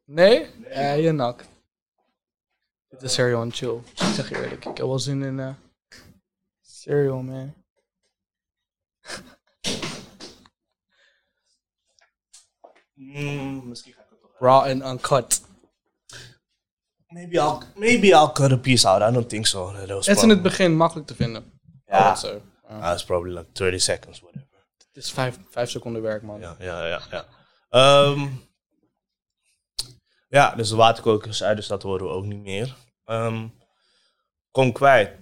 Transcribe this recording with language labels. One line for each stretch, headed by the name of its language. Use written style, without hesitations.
Dutch: Nee? Nee. Je nak. Dit is cereal en chill. Ik zeg je eerlijk, ik heb wel zin in cereal, man. Misschien ga ik het toch raw
English: and uncut. Maybe I'll cut a piece out. I don't think so.
Dutch: Het is in het begin makkelijk te vinden.
English: Ja, yeah. That's probably like 30 seconds, whatever.
Dutch: Het is vijf seconden werk, man. Ja. Dus de waterkoker is uit, dus dat horen we ook niet meer. Kom kwijt.